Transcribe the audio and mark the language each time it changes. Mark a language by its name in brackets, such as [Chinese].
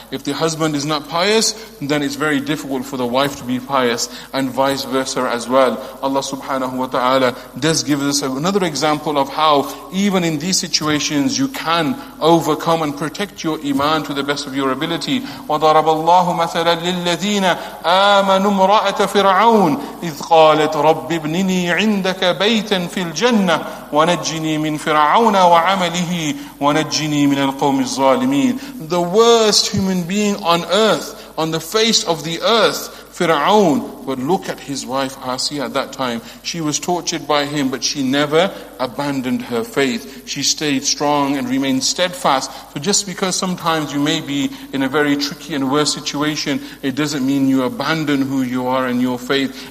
[English] If the husband is not pious, then it's very difficult for the wife to be pious, and vice versa as well. Allah subhanahu wa ta'ala does give us another example of how even in these situations you can overcome and protect your iman to the best of your ability. [Arabic] وَضَرَبَ اللَّهُ مَثَلًا لِلَّذِينَ آمَنُوا امْرَأَةَ فِرْعَوْنَ إِذْ قَالَتْ رَبِّ ابْنِنِي عِنْدَكَ بَيْتًا في الجنة ونجني من فرعون وعمله ونجني من القوم الظالمين. [English] The worst human being on earth, on the face of the earth, Fir'aun. But look at his wife Asiya at that time. She was tortured by him, but she never abandoned her faith. She stayed strong and remained steadfast. So just because sometimes you may be in a very tricky and worse situation, it doesn't mean you abandon who you are and your faith.